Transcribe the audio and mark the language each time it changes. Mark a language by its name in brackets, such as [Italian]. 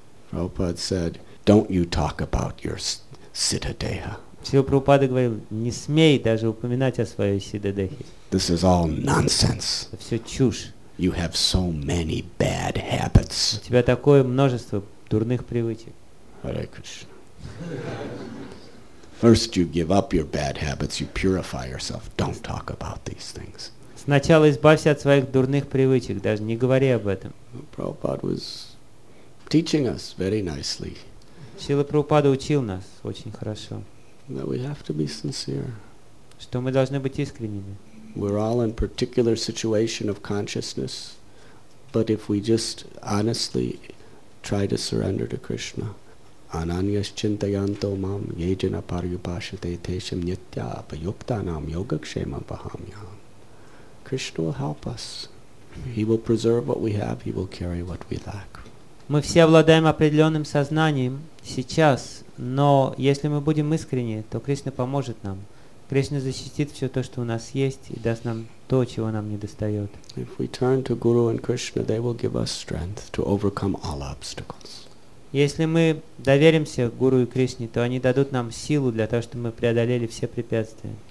[English] Prabhupada said, don't you talk about your siddhadeha. [Russian] Шрила Прабхупада говорил, не смей даже упоминать о своей сиддхадехе. [English] This is all nonsense. [Russian] Это все чушь. [English] You have so many bad habits. [Russian] У тебя такое множество дурных привычек. [English] Hare Krishna. First you give up your bad habits, you purify yourself. Don't talk about these things. [Russian] Сначала избавься от своих дурных привычек, даже не говори об этом. [English] Prabhupada was teaching us very nicely. [Russian] Шрила Прабхупада учил нас очень хорошо. [English] That we have to be sincere. [Russian] Что мы должны быть искренними. [English] We're all in particular situation of consciousness, but if we just honestly try to surrender to Krishna, [Sanskrit] ananyas chintayanto mam yejana paryupashate tesham nitya apayuktanam yogakshema bahamyam. [English] Krishna will help us. He will preserve what we have, He will carry what we lack. [Russian] Мы все обладаем определенным сознанием сейчас, но если мы будем искренни, то Кришна поможет нам. Кришна защитит все то, что у нас есть, и даст нам то, чего нам не достает. [English] If we turn to Guru and Krishna, they will give us strength to overcome all obstacles. [Russian] Если мы доверимся Гуру и Кришне, то они дадут нам силу для того, чтобы мы преодолели все препятствия.